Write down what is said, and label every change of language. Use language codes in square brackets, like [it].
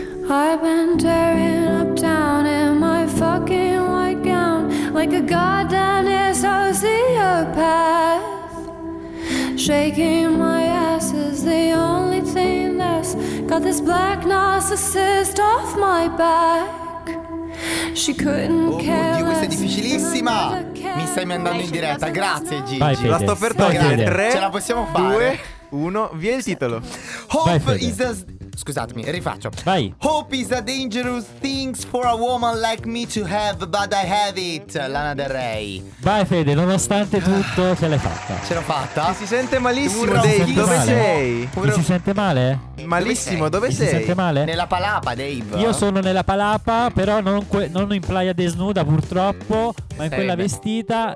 [en] I've been tearing up town in my fucking white gown like a goddamn sociopath. Shaking my ass is the only thing that's got this black narcissist off my back. She couldn't care. [it] Oh, questa è difficilissima. Mi stai mandando in diretta, grazie Gigi. Vai, la sto per togliere. 3, ce la possiamo fare. 2, 1, via il titolo. [en] Hope is a... [it] Scusatemi, rifaccio. Vai. [en] Hope is a dangerous thing for a woman like me to have, but I have it. Lana Del Rey. [it] Vai Fede, nonostante tutto ce l'hai fatta. Ce l'ho fatta. Si sente malissimo, Dave. Dove sei? Mi si sente male? Malissimo, dove sei? Si sente male? Nella palapa, Dave. Io sono nella palapa, però non in [es] playa desnuda, [it] purtroppo, ma in quella vestita.